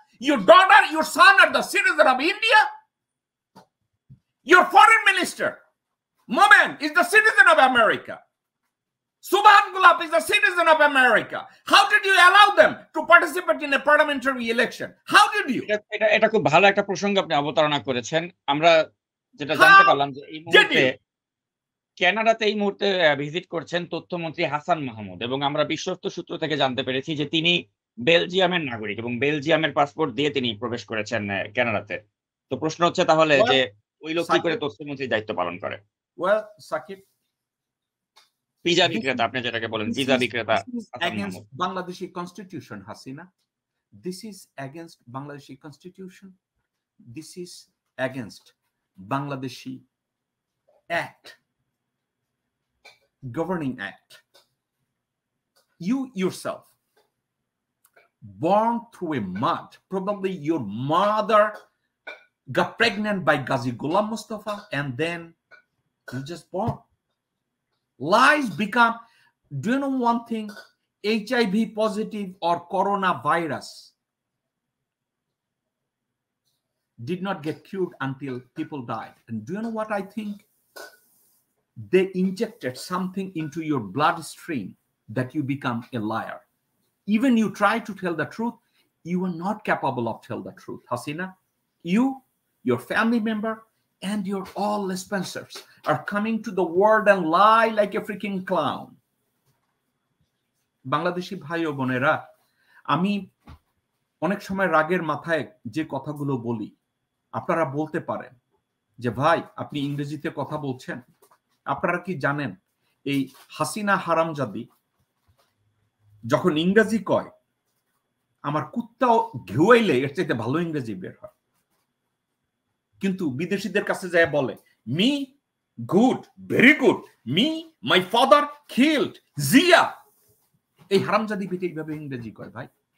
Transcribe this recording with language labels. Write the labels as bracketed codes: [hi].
[en] Your daughter, your son are the citizen of India. Your foreign minister, Momen, is the citizen of America. Subhan Gulab is the citizen of America. How did you allow them to participate in a parliamentary election? How did you? [bn] এটা খুব ভালো একটা প্রসঙ্গ আপনি অবতারণা করেছেন। আমরা যেটা জানতে পারলাম যে এই মুহূর্তে কানাডাতে এই মুহূর্তে ভিজিট করছেন তথ্যমন্ত্রী হাসান মাহমুদ, এবং আমরা বিশ্বস্ত সূত্র থেকে জানতে পেরেছি যে তিনি বেলজিয়ামের নাগরিক এবং বেলজিয়ামের পাসপোর্ট দিয়ে তিনি প্রবেশ করেছেন কানাডাতে। তো প্রশ্ন হচ্ছে তাহলে যে ওই লোক কি করে তথ্যমন্ত্রী দায়িত্ব পালন করে? [en] well Sakib, [bn] ভিসা বিক্রেতা, আপনি যেটাকে বলেন ভিসা বিক্রেতা, [en] Against Bangladeshi constitution Hasina, this is against Bangladeshi constitution, this is against Bangladeshi act, governing act. You yourself born through a mud, probably your mother got pregnant by Ghazi Ghulam Mustafa and then you just born. Lies become, do you know one thing, HIV positive or coronavirus did not get cured until people died. And do you know what I think? They injected something into your bloodstream that you become a liar. Even you try to tell the truth, you are not capable of tell the truth. Hasina, you, your family member, and your all Spencers are coming to the world and lie like a freaking clown. [bn] Bangladeshi bhai o bonera, ami অনেক সময় রাগের মাথায় যে কথাগুলো বলি আপনারা বলতে পারেন যে ভাই আপনি ইংরেজিতে কথা বলছেন, আপনারা কি জানেন এই হাসিনা হারামজাদি যখন ইংরেজি কয় আমার কুত্তাও ঘেউইলে এর চাইতে ভালো ইংরেজি বের হয়, কিন্তু বিদেশিদের কাছে যায় বলে [en] me good very good, me my father killed Zia, [bn] এই হারামজাদি পিঠে এইভাবে ইংরেজি কয় ভাই।